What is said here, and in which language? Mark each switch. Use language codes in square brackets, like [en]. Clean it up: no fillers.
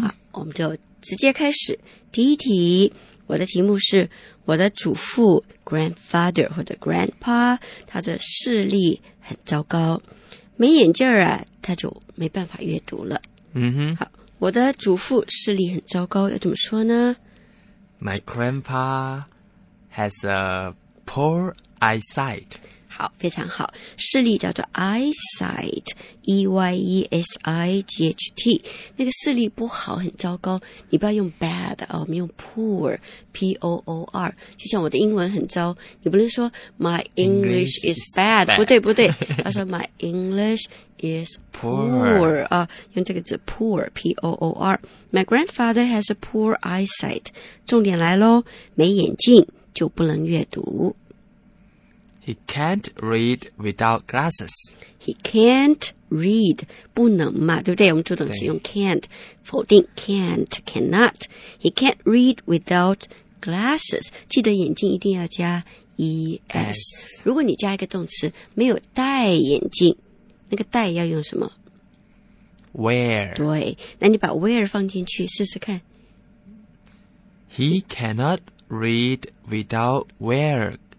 [zh] 好，我们就直接开始第一题。我的题目是我的祖父 grandfather 或者 grandpa 他的视力很糟糕，没眼镜啊，他就没办法阅读了。嗯哼，好，我的祖父视力很糟糕，要怎么说呢 [en] ？My grandpa has a poor eyesight。 [zh] 好，非常好，视力叫做 eyesight， E Y E S I G H T， 那个视力不好，很糟糕。你不要用 bad 啊，我们用 poor， P O O R。就像我的英文很糟，你不能说 [en] my English is bad， [zh] 不对不对，他说 [en] my English is poor [zh] 啊，用这个字 poor， P O O R。 [en] My grandfather has a poor eyesight， [zh] 重点来喽，没眼镜就不能阅读。 [en] He can't read without glasses. He can't read. [zh] 不能嘛，对不对？我们助动词用 can't， 否定 can't， cannot. [en] He can't read without glasses. [zh] 记得眼镜一定要加 es。如果你加一个动词，没有戴眼镜，那个戴要用什么 [en] ？Wear。 [zh] 对，那你把 wear 放进去试试看。 [en] He cannot read without wear.